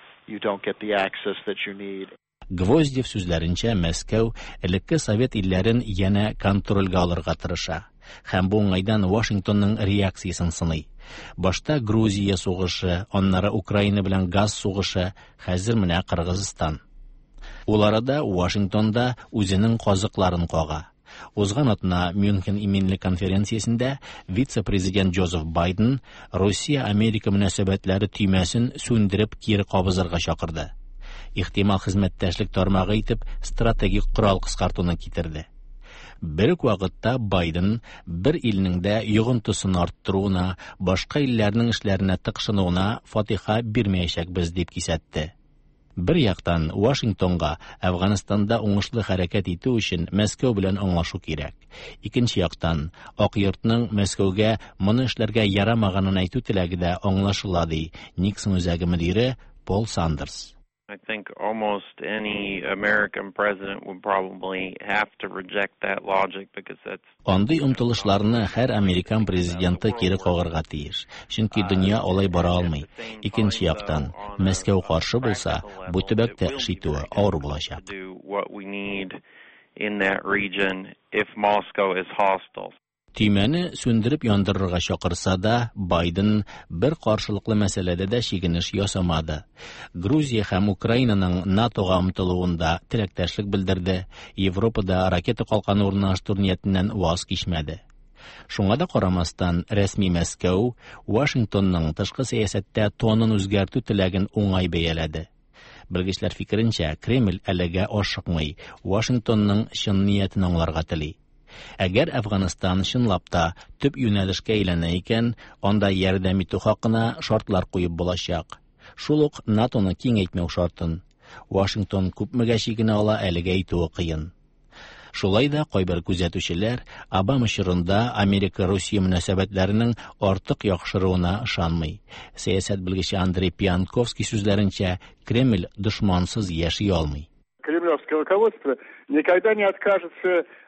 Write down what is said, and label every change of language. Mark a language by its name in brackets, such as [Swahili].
[English] You don't get the access that you need. [Tatar] Гвоздев сүзләренчә, Мәскәү элекке совет илләрен янә контрольгә алырга тырыша. Һәм бу уңайдан Вашингтонның реакциясын сыный. Башта Грузия сугышы, аннары Украина белән газ сугышы, хәзер менә Кыргызстан. Ул арада Вашингтонда үзенең казыкларын кага. Узган атна Мюнхен именлек конференциясендә вице-президент Джозеф Байден Россия-Америка мөнәсәбәтләре төймәсен сүндереп кире кабызырга чакырды. Ихтимал хезмәттәшлек тармагы итеп стратегик корал кыскартуны китерде. Бер үк вакытта Байден бер илнең дә йогынтысын арттыруына, башка илләрнең эшләренә тыкшынуына фатиха бирмәячәкбез дип кисәтте. Бер яктан Вашингтонга Афганстанда уңышлы хәрәкәт итү өчен Мәскәү белән аңлашу кирәк. Икенче яктан Ак йортның Мәскәүгә моны эшләргә ярамаганын әйтү теләге дә аңлашыла ди Никсон үзәге мөдире Пол Сандерс. [English] I think almost any American president would probably have to reject that logic because that's [Tatar] Андый умтылышларны һәр американ президенты кире кагырга тиеш, чөнки дөнья алай бара алмый. Икенче яктан, Мәскәү каршы булса, бу төбәктә эш итүе авыр булачак. [English] What we need in that region if Moscow is hostile. [Tatar] Тимәне сүндереп яндырырга чакырса да, Байден бер каршылыклы мәсьәләдә дә шигенеш ясамады. Грузия һәм Украинаның НАТОга омтылуында теләктәшлек белдерде, Европада ракета калканы урнаштыру ниятеннән ваз кичмәде. Шуңа да карамастан, рәсми Мәскәү Вашингтонның тышкы сәясәттә тонын үзгәртү теләген уңай бәяләде. Белгечләр фикеренчә, Кремль әлегә ашыкмый, Вашингтонның чын ниятен аңларга тели. Әгәр Афганстан чынлап та төп юнәлешкә әйләнә икән, анда ярдәм итү хакына шартлар куеп булачак. Шул ук НАТОны киңәйтмәү шартын. Вашингтон күпмегә шигенә ала әлегә әйтүе кыен. Шулай да кайбер күзәтүчеләр Обама чорында Америка-Русия мөнәсәбәтләренең артык яхшыруына ышанмый. Сәясәт белгече Андрей Пьянковский сүзләренчә, Кремль дошмансыз яши алмый. [Russian] Кремлевское руководство никогда не откажется